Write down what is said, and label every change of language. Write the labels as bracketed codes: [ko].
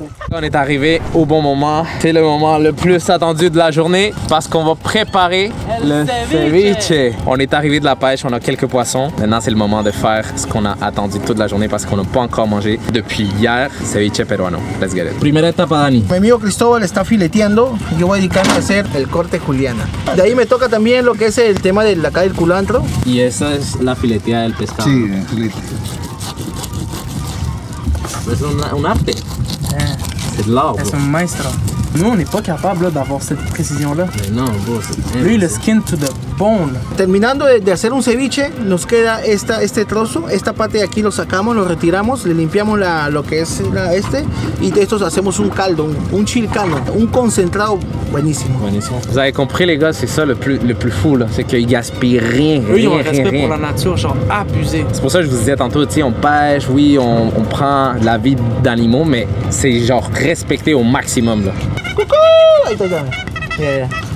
[fr] On est arrivé au bon moment. C'est le moment le plus attendu de la journée parce qu'on va préparer le ceviche. On est arrivé de la pêche, on a quelques poissons. Maintenant, c'est le moment de faire ce qu'on a attendu toute la journée parce qu'on n'a pas encore mangé depuis hier. [es] Ceviche peruano. [en] Let's get it. [es] Primera etapa, Dani. Mi amigo Cristóbal está fileteando. Yo voy a dedicarme a hacer el corte juliana. De ahí me toca también lo que es el tema de acá del culantro. Y esa es la fileteada del pescado. Sí, el filete. [fr] C'est un art. C'est de l'art. C'est un maestro. Nous, on n'est pas capable d'avoir cette précision-là. Mais non, bro, c'est lui, le [en] skin to the bone. [es] Terminando de hacer un ceviche, nos queda este trozo. Esta parte de aquí lo sacamos, lo retiramos, le limpiamos lo que es este. Y de estos hacemos un caldo, un chilcano, un concentrado buenísimo. Buenísimo. [fr] Vous avez compris, les gars, c'est ça le plus fou, là. C'est qu'ils gaspillent rien. Oui, ils ont respect pour la nature, genre abusé. C'est pour ça que je vous disais tantôt, tu sais, on pêche, oui, on prend la vie d'animaux, mais c'est genre respecté au maximum, là. Coucou! Yeah. Yeah. Yeah. Yeah.